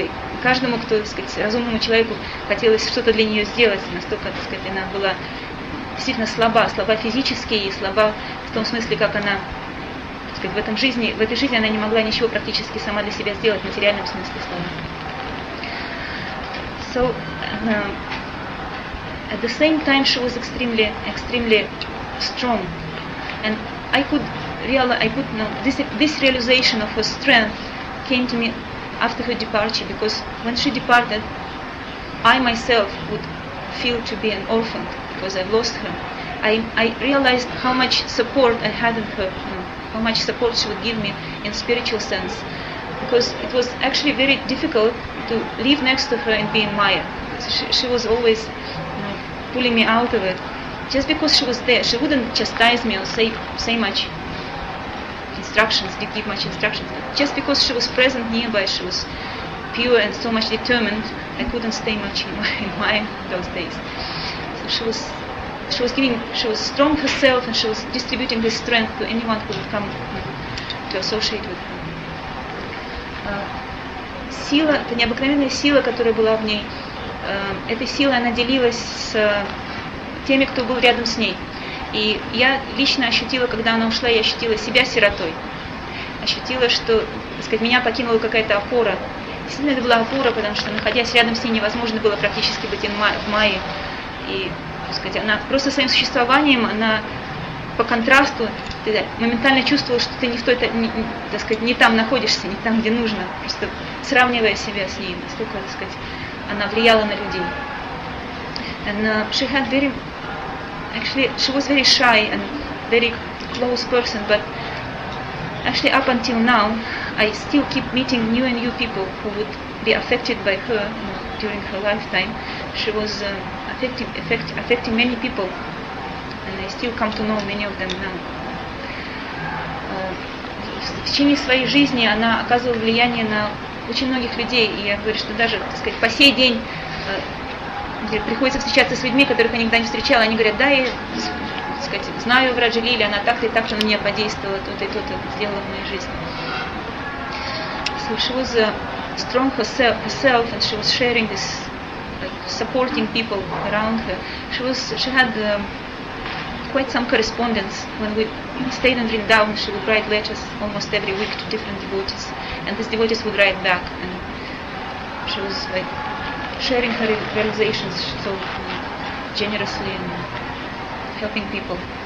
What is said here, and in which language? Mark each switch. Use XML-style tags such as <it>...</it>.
<ru>И каждому, кто, так сказать, разумному человеку хотелось что-то для нее сделать. Настолько, так сказать, она была действительно слаба, слаба физически и слаба в том смысле, как она, так сказать, в этой жизни она не могла ничего практически сама для себя сделать, в материальном смысле слова.</ru> <en>So, at the same time, she was extremely, extremely strong, and I could realize, this realization of her strength came to me after her departure, because when she departed, I myself would feel to be an orphan because I've lost her. I realized how much support I had in her, how much support she would give me in spiritual sense, because it was actually very difficult to live next to her and be in Maya. She was always pulling me out of it. Just because she was there, she wouldn't chastise me or say much instructions, didn't give much instructions. But just because she was present nearby, she was pure and so much determined, I couldn't stay much in Maya those days. So she was strong herself, and she was distributing this strength to anyone who would come to associate with her.</en> <ru>Сила, это необыкновенная сила, которая была в ней. Этой силой она делилась с теми, кто был рядом с ней. И я лично ощутила, когда она ушла, я ощутила себя сиротой. Ощутила, что, так сказать, меня покинула какая-то опора. Действительно, это была опора, потому что, находясь рядом с ней, невозможно было практически быть в мае. И, так сказать, она просто своим существованием, она по контрасту, ты моментально чувствовала, что ты не в той, так сказать, не там находишься, не там, где нужно. Просто сравнивая себя с ней, настолько, так сказать, она влияла на людей.</ru> <en>And she had very, actually, she was very shy and very close person, but actually up until now, I still keep meeting new and new people who would be affected by her during her lifetime. She was affecting many people, and I still come to know many of them now.</en> <ru>В течение своей жизни она оказывала влияние на очень многих людей, и я говорю, что даже, так сказать, по сей день приходится встречаться с людьми, которых я никогда не встречала, они говорят, да, я, так сказать, знаю Враджи Лили, она так-то и так-то на меня подействовала, то-то и то-то сделала в моей жизни.</ru> <en>So she was strong herself, and she was sharing this, like, supporting people around her. She had quite some correspondence. When we stayed in Vrindavan, she would write letters almost every week to different devotees, and these devotees would write back, and she was like sharing her realizations so generously and helping people.</en>